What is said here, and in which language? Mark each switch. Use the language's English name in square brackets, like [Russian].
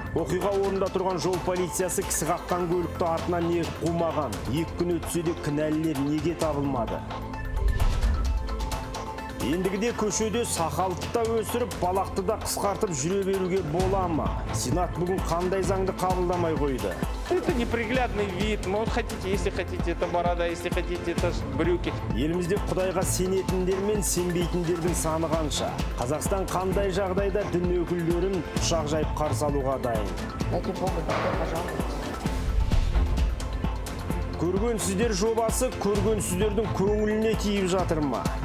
[Kazakh] Оқиға орында тұрған жол полициясы кісі қаққан көлікті артынан не қумаған. Екі күн өтсе де кінәлілер неге табылмады? Ендігіде көшеде сақалды да өсіріп, балақты да қысқартып жүре беруге бола ма? Сенат бүгін қандай заңды қабылдамай қойды? [Russian] Это неприглядный вид. Может, хотите, если хотите, это борода, если хотите, это брюки. [Kazakh] Елімізде құдайға сенетіндер мен сенбейтіндердің саны қанша? Қазақстан қандай жағдайда дін өкілдерін ұшақ жайып қарсы алуға дайын? [Russian] Это Бог, пожалуйста. [Kazakh] Көргенсіздер жобасы көргенсіздердің көңіліне тиіп жатыр ма?